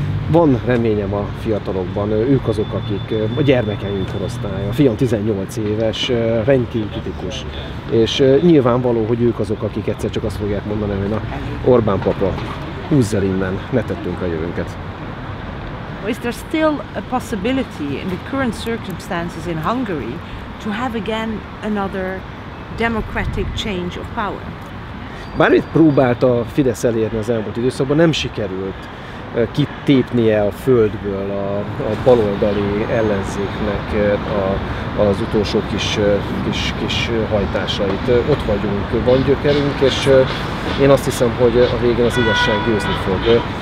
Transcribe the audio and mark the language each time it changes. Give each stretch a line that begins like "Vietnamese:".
Hungarian: Van reményem a fiatalokban, ők azok, akik a gyermekeink korosztálya, a fiam 18 éves, rendkívül kritikus. És nyilvánvaló, hogy ők azok, akik egyszer csak azt fogják mondani, hogy na, Orbán papa, húzz el innen, ne tettünk a jövőnket.
English: Is there still a possibility in the current circumstances in Hungary to have again another democratic change of power?
Hungarian: Bármit próbált a Fidesz elérni az elmúlt időszakban, nem sikerült kitépnie a földből a baloldali ellenzéknek az utolsó kis hajtásait. Ott vagyunk, van gyökerünk, és én azt hiszem, hogy a végén az igazság győzni fog.